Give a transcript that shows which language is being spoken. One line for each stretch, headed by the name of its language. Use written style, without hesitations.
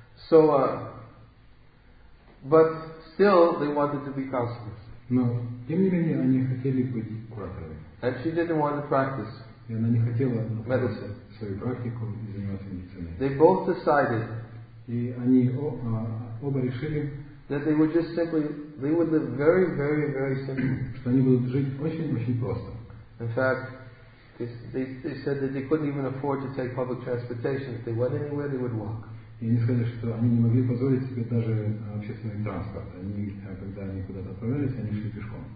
English: So, but still they wanted to be counselors.
Russian: Но тем не менее они хотели быть кураторами.
English: And she didn't want to practice medicine.
Russian: Свою практику и заниматься медициной.
English: They both decided.
Russian: И они оба решили.
English: That they would just simply, they would live very, very, very simply.
Russian: Что они будут жить очень, очень просто.
English: In fact, they said that they couldn't even afford to take public transportation. If they went anywhere, they would walk.
Russian: И они сказали, что они не могли позволить себе даже общественный транспорт. Они, когда они куда-то отправлялись, они шли пешком.